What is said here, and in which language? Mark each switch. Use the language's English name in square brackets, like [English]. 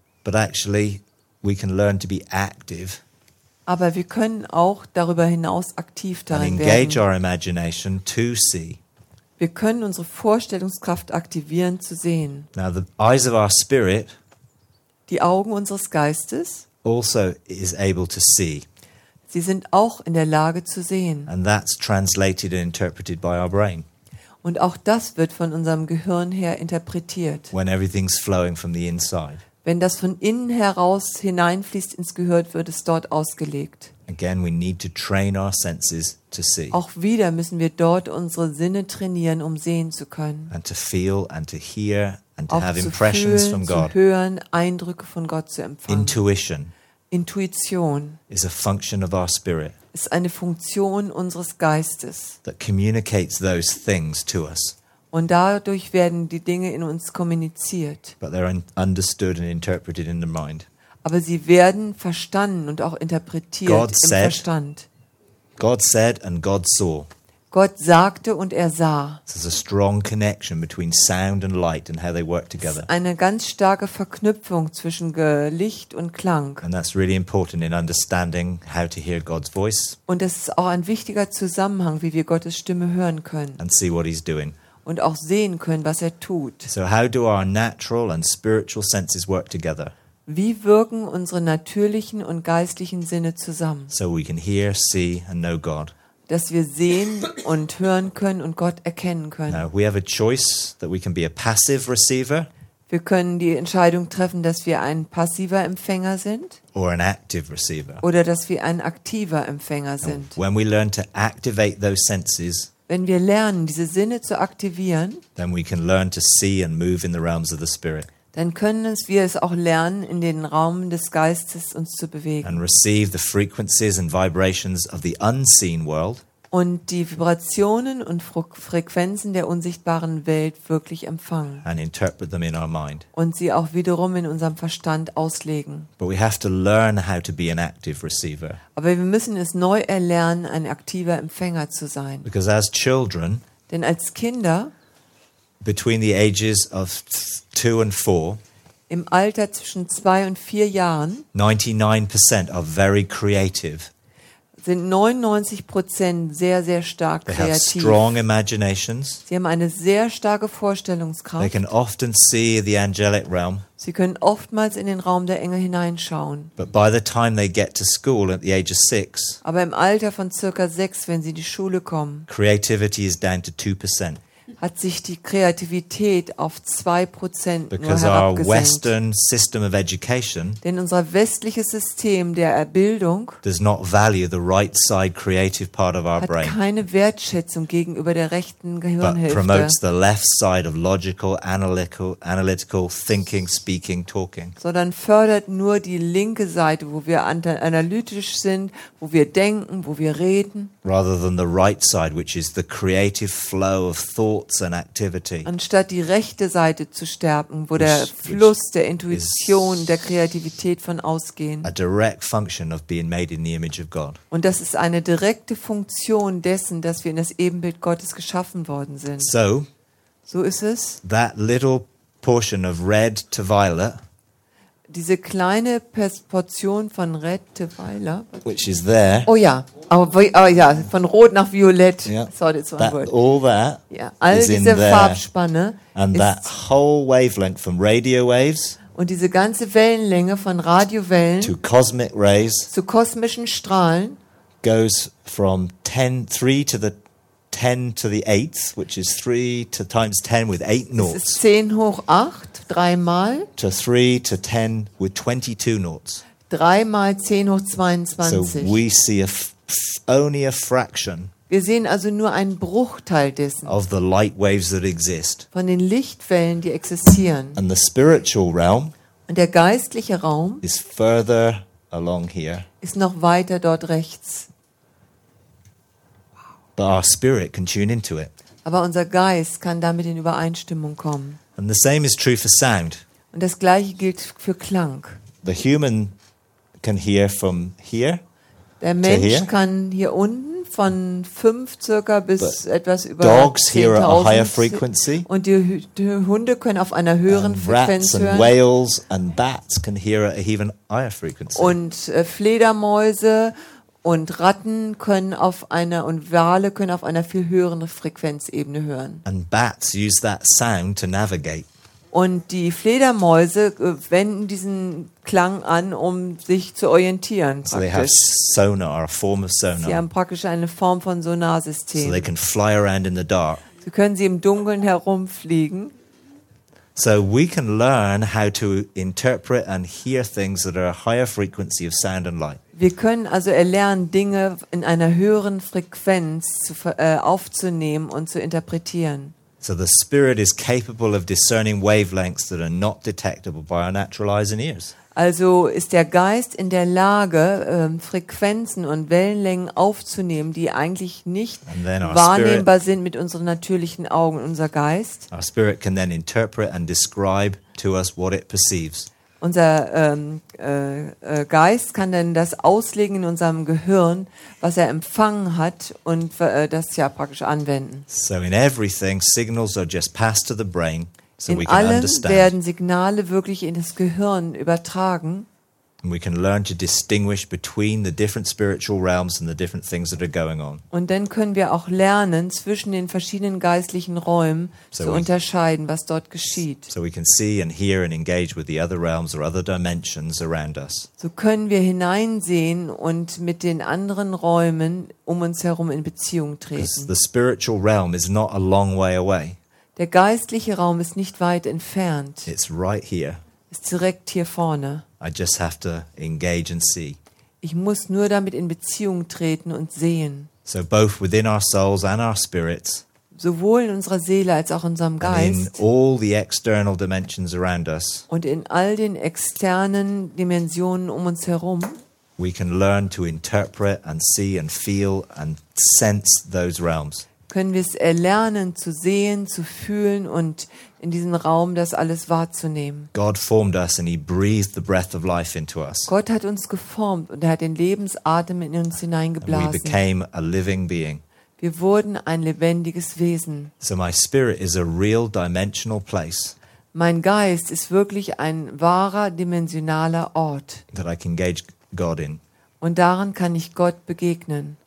[English] But actually, we can learn to be active. [German] Aber wir können auch darüber hinaus aktiv darin werden. [English] And engage our imagination to see. [German] Wir können unsere Vorstellungskraft aktivieren, zu sehen. [English] Now the eyes of our spirit. [German] Die Augen unseres Geistes. [English] Also is able to see. [German] Sie sind auch in der Lage zu sehen. [English] And that's translated and interpreted by our brain. [German] Und auch das wird von unserem Gehirn her interpretiert. [English] When everything's flowing from the inside. [German] Wenn das von innen heraus hineinfließt ins Gehirn, wird es dort ausgelegt. [English] Again, we need to train our senses to see. [German] Auch wieder müssen wir dort unsere Sinne trainieren, um sehen zu können. [English] And to feel and to hear and to [German] auch [English] have impressions [German] fühlen, [English] from God. [German] Zu hören, Eindrücke von Gott zu empfangen. [English] Intuition. [German] Intuition [English] is a function of our spirit. [German] Ist eine Funktion unseres Geistes. [English] That communicates those things to us. [German] Und dadurch werden die Dinge in uns kommuniziert. [English] But they're understood and interpreted in the mind. [German] Aber sie werden verstanden und auch interpretiert [English] God [German] im [English] said, [German] Verstand. [English] God said and God saw. [German] Gott sagte und er sah. [English] There's a strong connection between sound and light and how they work together. [German] Eine ganz starke Verknüpfung zwischen Licht und Klang. [English] And that's really important in understanding how to hear God's voice. [German] Und es ist auch ein wichtiger Zusammenhang, wie wir Gottes Stimme hören können. [English] And see what he's doing. [German] Und auch sehen können, was er tut. [English] So how do our natural and spiritual senses work together? [German] Wie wirken unsere natürlichen und geistlichen Sinne zusammen? [English] So we can hear, see and know God. [German] Dass wir sehen und hören können und Gott erkennen können. [English] Now, we have a choice that we can be a passive receiver. [German] Wir können die Entscheidung treffen, dass wir ein passiver Empfänger sind. [English] Or an active receiver. [German] Oder dass wir ein aktiver Empfänger sind. [English] Now, when we learn to activate those senses, [German] wenn wir lernen, diese Sinne zu aktivieren, [English] then we can learn to see and move in the realms of the spirit. [German] Dann können wir es auch lernen, in den Raum des Geistes uns zu bewegen. [English] And receive the frequencies and vibrations of the unseen world. [German] Und die Vibrationen und Frequenzen der unsichtbaren Welt wirklich empfangen. [English] And interpret them in our mind. [German] Und sie auch wiederum in unserem Verstand auslegen. [English] But we have to learn how to be an active receiver. [German] Aber wir müssen es neu erlernen, ein aktiver Empfänger zu sein. [English] Because as children, [German] denn als Kinder, [English] between the ages of 2 and 4, [German] im Alter zwischen 2 und 4 Jahren, [English] 99% are very creative. [German] sind 99% sehr, sehr stark [English] they [German] kreativ. [English] Have strong imaginations. [German] Sie haben eine sehr starke Vorstellungskraft. [English] They can often see the angelic realm. [German] Sie können oftmals in den Raum der Engel hineinschauen. [English] But by the time they get to school at the age of 6, [German] aber im Alter von circa 6, wenn sie in die Schule kommen, [English] creativity is down to 2%. [German] Hat sich die Kreativität auf 2% [English] because [German] nur herabgesenkt. [English] Our Western system of education, [German] denn unser westliches System der Erbildung, [English] does not value the right side creative part of our brain. [German] Hat keine Wertschätzung gegenüber der rechten Gehirnhälfte. [English] But promotes the left side of logical, analytical thinking, speaking, talking. [German] Sondern fördert nur die linke Seite, wo wir analytisch sind, wo wir denken, wo wir reden. [English] Rather than the right side, which is the creative flow of thought. [German] Anstatt die rechte Seite zu stärken, wo der Fluss der Intuition, der Kreativität von ausgehen. [English] A direct function of being made in the image of God. [German] Und das ist eine direkte Funktion dessen, dass wir in das Ebenbild Gottes geschaffen worden sind. [English] So [German] ist es. [English] That little portion of red to violet. [German] Diese kleine Portion von [English] red to violet, which is there. [German] Oh ja. Oh ja, von rot nach violett. [English] Yeah. Sorry, it's one that, word. All that, yeah. All is [German] diese [English] in there. [German] Farbspanne. [English] And [German] ist [English] that whole wavelength from radio waves. [German] Und diese ganze Wellenlänge von Radiowellen. [English] To cosmic rays. [German] Zu kosmischen Strahlen. [English] Goes from 3 to the 10 to the 8th, which is 3 to times 10 with 8 noughts. [German] Das ist 10 hoch 8, dreimal. [English] To 3 to 10 with 22 noughts. [German] 3 mal 10 hoch 22. [English] So we see only a fraction. [German] Wir sehen also nur einen Bruchteil dessen. [English] Of the light waves that exist. [German] Von den Lichtwellen, die existieren. [English] And the spiritual realm. [German] Und der geistliche Raum. [English] Is further along here. [German] Ist noch weiter dort rechts. [English] But our spirit can tune into it. [German] Aber unser Geist kann damit in Übereinstimmung kommen. [English] And the same is true for sound. [German] Und das gleiche gilt für Klang. [English] The human can hear from here. [German] Der Mensch [English] to here. [German] Kann hier unten von 5 circa bis [English] but [German] etwas über [English] dogs hear at a higher frequency. [German] Und die Hunde können auf einer höheren Frequenz hören. [English] And whales and bats can hear at an even higher frequency. [German] Und Fledermäuse und Ratten können auf einer und Wale können auf einer viel höheren Frequenzebene hören. [English] And bats use that sound to navigate. [German] Und die Fledermäuse wenden diesen Klang an, um sich zu orientieren. [English] So they have sonar, a form of sonar. [German] Sie haben praktisch eine Form von Sonarsystem. [English] So they can fly around in the dark. [German] So können sie im Dunkeln herumfliegen. [English] So we can learn how to interpret and hear things that are a higher frequency of sound and light. [German] Wir können also erlernen, Dinge in einer höheren Frequenz aufzunehmen und zu interpretieren. [English] So the spirit is capable of discerning wavelengths that are not detectable by our natural eyes and ears. [German] Also ist der Geist in der Lage, Frequenzen und Wellenlängen aufzunehmen, die eigentlich nicht wahrnehmbar sind mit unseren natürlichen Augen, unser Geist. [English] Our spirit can then interpret and describe to us what it perceives. [German] Unser Geist kann dann das auslegen in unserem Gehirn, was er empfangen hat und das ja praktisch anwenden. [English] So in everything signals are just passed to the brain so we can understand. [German] In allem werden Signale wirklich in das Gehirn übertragen. [English] And we can learn to distinguish between the different spiritual realms and the different things that are going on. [German] Und dann können wir auch lernen, zwischen den verschiedenen geistlichen Räumen zu unterscheiden, was dort geschieht. [English] So we can see and hear and engage with the other realms or other dimensions around us. [German] So können wir hineinsehen und mit den anderen Räumen um uns herum in Beziehung treten. [English] Because the spiritual realm is not a long way away. [German] Der geistliche Raum ist nicht weit entfernt. [English] It's right here. [German] Ist direkt hier vorne. [English] I just have to engage and see. [German] Ich muss nur damit in Beziehung treten und sehen. [English] So both within our souls and our spirits. [German] Sowohl in unserer Seele als auch in unserem Geist. [English] And in all the external dimensions around us. [German] Und in all den externen Dimensionen um uns herum. [English] We can learn to interpret and see and feel and sense those realms. [German] Können wir es erlernen zu sehen, zu fühlen und in diesem Raum das alles wahrzunehmen. [English] God formed us and he breathed the breath of life into us. [German] Gott hat uns geformt und er hat den Lebensatem in uns hineingeblasen. [English] And we became a living being. [German] Wir wurden ein lebendiges Wesen. [English] So my spirit is a real dimensional place. [German] Mein Geist ist wirklich ein wahrer dimensionaler Ort. [English] That I can engage God in. [German] Und darin kann ich Gott begegnen.